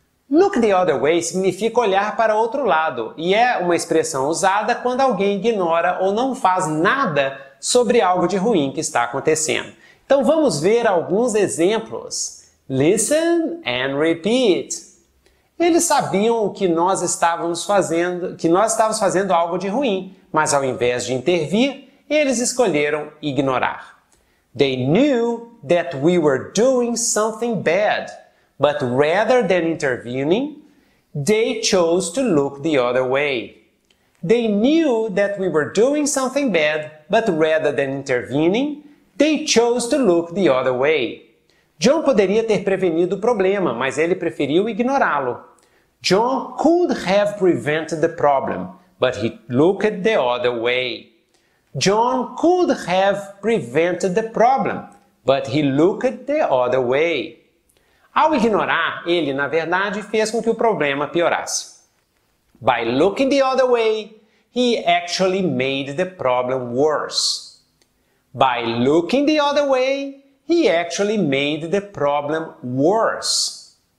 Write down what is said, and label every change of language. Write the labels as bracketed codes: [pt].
[en] Look the other way [pt] significa olhar para outro lado e é uma expressão usada quando alguém ignora ou não faz nada sobre algo de ruim que está acontecendo. Então vamos ver alguns exemplos. [en] Listen and repeat. [pt] Eles sabiam o que nós estávamos fazendo, que nós estávamos fazendo algo de ruim, mas ao invés de intervir, eles escolheram ignorar. [en] They knew that we were doing something bad, but rather than intervening, they chose to look the other way. They knew that we were doing something bad, but rather than intervening, they chose to look the other way. [pt] John poderia ter prevenido o problema, mas ele preferiu ignorá-lo. [en] John could have prevented the problem, but he looked the other way. John could have prevented the problem, but he looked the other way. [pt] Ao ignorar, ele, na verdade, fez com que o problema piorasse. [en] By looking the other way, he actually made the problem worse. By looking the other way, he actually made the problem worse.